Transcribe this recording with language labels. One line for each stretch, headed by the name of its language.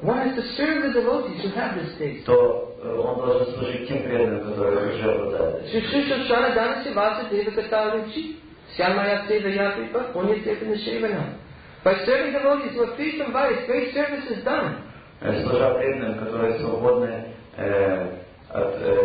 English: One has to serve the devotees who have this taste.
Russian: То он должен служить тем преданным, которые уже обладают.
English: By serving the Lord, you will free from vice. Great service is done.
Russian: Служа преданным, которые свободны от.